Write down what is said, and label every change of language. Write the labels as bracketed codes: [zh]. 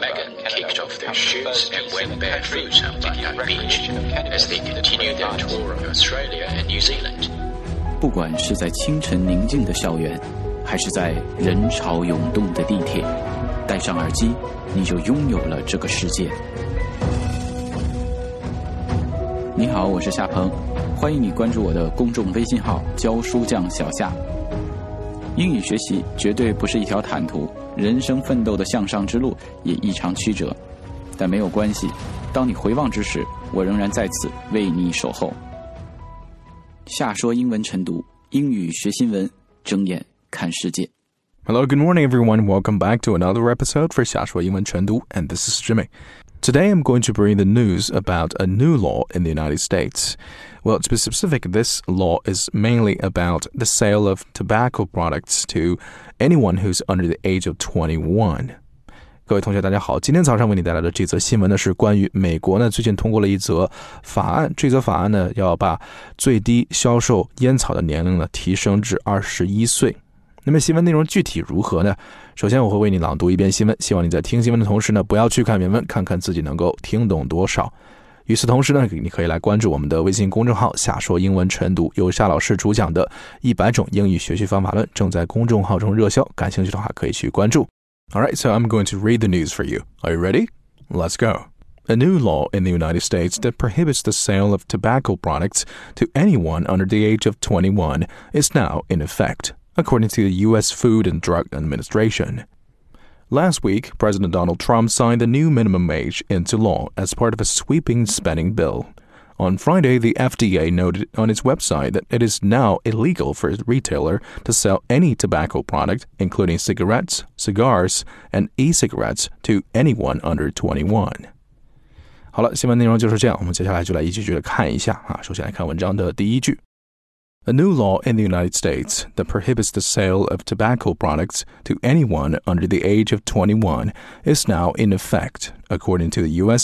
[en] Megan kicked off their shoes and went barefoot on Bondi Beach as they continued their tour of Australia and New Zealand. [zh] 不管是在清晨宁静的校园，还是在人潮涌动的地铁，戴上耳机，你就拥有了这个世界。你好，我是夏鹏，欢迎你关注我的公众微信号教书匠小夏。英语学习绝对不是一条坦途，人生奋斗的向上之路也异常曲折，但没有关系，当你回望之时，我仍然在此为你守候。夏说英文晨读，英语学新闻，睁眼看世界。 [en] Hello, good morning everyone, welcome back to another episode for 夏说英文晨读, and this is Jimmy. Today, I'm going to bring the news about a new law in the United States. Well, to be specific, this law is mainly about the sale of tobacco products to anyone who's under the age of 21. [zh] 各位同学大家好，今天早上为你带来的这则新闻呢，是关于美国呢最近通过了一则法案。这则法案呢，要把最低销售烟草的年龄呢提升至21岁。那么新闻内容具体如何呢？首先我会为你朗读一遍新闻，希望你在听新闻的同时呢，不要去看原文，看看自己能够听懂多少。与此同时呢，你可以来关注我们的微信公众号夏说英文晨读，由夏老师主讲的100种英语学习方法论正在公众号中热销，感兴趣的话可以去关注。 [en] Alright, so I'm going to read the news for you. Are you ready? Let's go. A new law in the United States that prohibits the sale of tobacco products to anyone under the age of 21 is now in effect. According to the U.S. Food and Drug Administration. Last week, President Donald Trump signed the new minimum age into law as part of a sweeping spending bill. On Friday, the FDA noted on its website that it is now illegal for a retailer to sell any tobacco product, including cigarettes, cigars, and e-cigarettes, to anyone under 21. [zh] 好了，新闻内容就是这样，我们接下来就来一句句的看一下啊。首先来看文章的第一句。 [en] A new law in the United States that prohibits the sale of tobacco products to anyone under the age of 21 is now in effect, according to the U.S.